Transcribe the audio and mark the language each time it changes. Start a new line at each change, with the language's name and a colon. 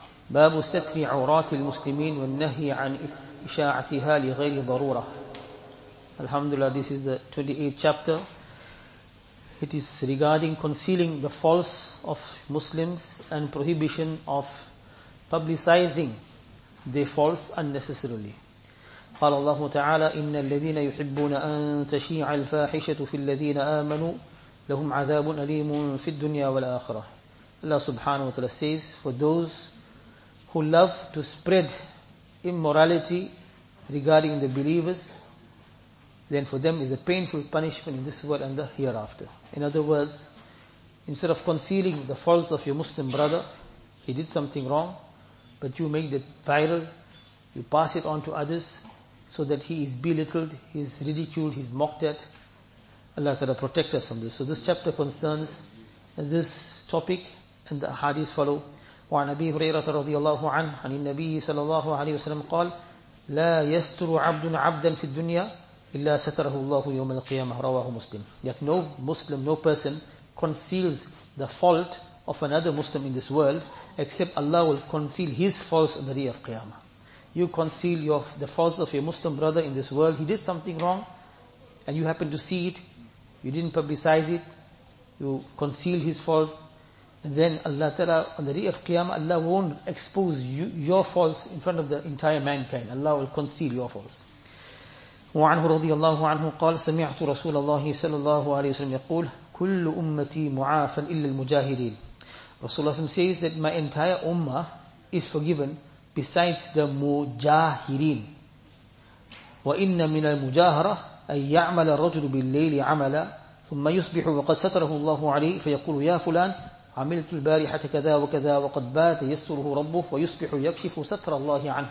Arabic: باب ستر عورات المسلمين والنهي عن إشاعتها لغير ضرورة. الحمد لله.
English: This is the 28th chapter. It is regarding concealing the faults of Muslims and prohibition of publicizing their faults unnecessarily.
Arabic: قال الله تعالى إن الذين يحبون أن تشيع الفاحشة في الذين آمنوا لهم عذاب أليم في الدنيا والآخرة.
English: Allah subhanahu wa ta'ala says, for those who love to spread immorality regarding the believers, then for them is a painful punishment in this world and the hereafter. In other words, instead of concealing the faults of your Muslim brother, he did something wrong, but you make that viral, you pass it on to others, so that he is belittled, he is ridiculed, he is mocked at. Allah ta'ala protect us from this. So this chapter concerns this topic. And the hadith follow.
Arabic: وعن أبي هريرة رضي الله عنه عن النبي صلى الله عليه وسلم قال لا يستر عبد عبدا في الدنيا إلا ستره الله يوم القيامة. رواه مسلم.
English: Yet no Muslim, no person conceals the fault of another Muslim in this world except Allah will conceal his faults on the day of Qiyamah. You conceal the faults of your Muslim brother in this world. He did something wrong and you happen to see it. You didn't publicize it. You conceal his fault. And then Allah Ta'ala, on the day of Qiyamah, Allah won't expose your faults in front of the entire mankind. Allah will conceal your faults.
Arabic: وَعَنْهُ رَضِيَ اللَّهُ عَنْهُ قَالَ سَمِعْتُ رَسُولَ اللَّهِ صَلَى اللَّهُ عَلَيْهِ وَسَلَمْ يَقُولَ كُلُّ أُمَّتِي مُعَافًا إِلَّا الْمُجَاهِدِينَ.
English: Rasulullah SAW says that my entire ummah is forgiven besides the mujahideen.
Arabic: وَإِنَّ مِنَ الْمُجَاهَرَةِ أَن يَعْمَلَ الرَّجُلُ بِاللَّيْلِ عَمَلًا ثُمَّ يُصْبِحُ وَقَدْ سَتَرَهُ اللَّهُ عَلَيْهِ فَيَقُولُ يَا فُلَانَ عملت البارحة كذا وكذا وقد بات يسره ربه ويصبح يكشف ستر الله عنه.